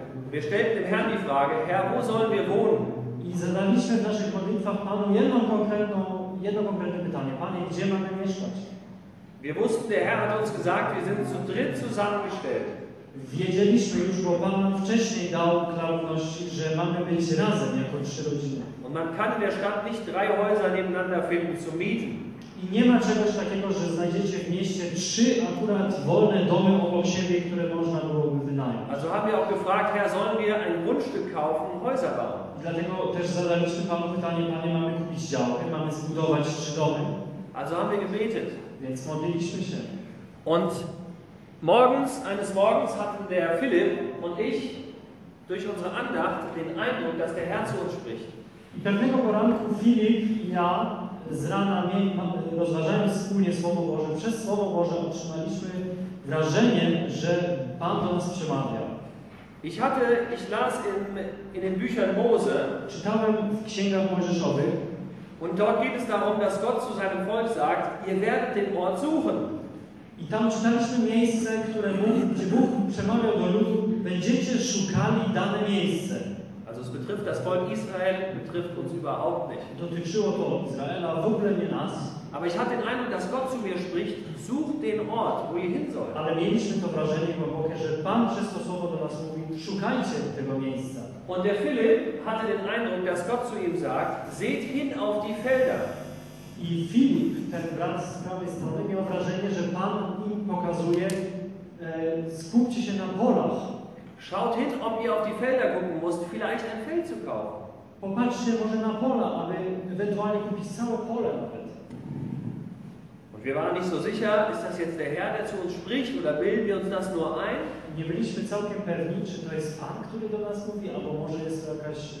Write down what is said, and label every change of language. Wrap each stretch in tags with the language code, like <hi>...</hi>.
<de>Wir stellten dem Herrn die Frage, Herr, wo sollen wir wohnen?</de> <pl>I zadaliśmy w naszych modlitwach Panu jedno konkretne pytanie. Panie, gdzie mamy mieszkać?</pl> <de>Wir wussten, der Herr hat uns gesagt, wir sind zu dritt zusammengestellt.</de> <pl>Wiedzieliśmy już, bo Pan wcześniej dał klarowność, że mamy być razem jako trzy rodziny.</pl> <de>Und man kann in der Stadt nicht drei Häuser nebeneinander finden zu mieten.</de> <pl>I nie ma czegoś takiego, że znajdziecie w mieście trzy akurat wolne domy obok siebie, które można byłoby wynająć.</pl> <de>Also haben wir auch gefragt, Herr, sollen wir ein Grundstück kaufen und Häuser bauen?</de> <pl>Dlatego też zadaliśmy Panu pytanie, Panie, mamy kupić działkę, mamy zbudować trzy domy.</pl> <de>Also haben wir gebetet.</de> <pl>Więc modliliśmy się.</pl> <de>Und morgens, eines Morgens hatten der Philipp und ich durch unsere Andacht den Eindruck, dass der Herr zu uns spricht.</de> <pl>I pewnego poranku Philipp i ja z rana rozważając wspólnie Słowo Boże, przez Słowo Boże otrzymaliśmy wrażenie, że Pan do nas przemawia.</pl> <de>Ich las in den Büchern Mose.</de> <pl>Czytałem w Księgach Mojżeszowych.</pl> <de>Und dort geht es darum, dass Gott zu seinem Volk sagt, ihr werdet den Ort suchen.</de> <pl>I tam czytaliśmy miejsce, które mówi, gdzie Bóg przemawiał do ludu, będziecie szukali dane miejsce.</pl> <de>Also es betrifft das Volk Israel, betrifft uns überhaupt nicht.</de> <pl>Dotyczyło to Izraela, w ogóle nie nas.</pl> <de>Aber ich hatte den Eindruck, dass Gott zu mir spricht, sucht den Ort, wo ihr hin sollt.</de> <pl>Ale mieliśmy to wrażenie głębokie, że Pan przez to Słowo do nas mówi, szukajcie tego miejsca.</pl> <de>Und der Philipp hatte den Eindruck, dass Gott zu ihm sagt, seht hin auf die Felder.</de> <pl>I Philipp, ten brat z prawej strony, miał wrażenie, że Pan im pokazuje, skupcie się na polach.</pl> <de>Schaut hin, ob ihr auf die Felder gucken musst, vielleicht ein Feld zu kaufen.</de> <pl>Popatrzcie może na pola, aby ewentualnie kupić całe pole nawet.</pl> <de>Und wir waren nicht so sicher, ist das jetzt der Herr, der zu uns spricht, oder bilden wir uns das nur ein?</de> <pl>Nie byliśmy całkiem pewni, czy to jest Pan, który do nas mówi, albo może jest to jakaś</pl>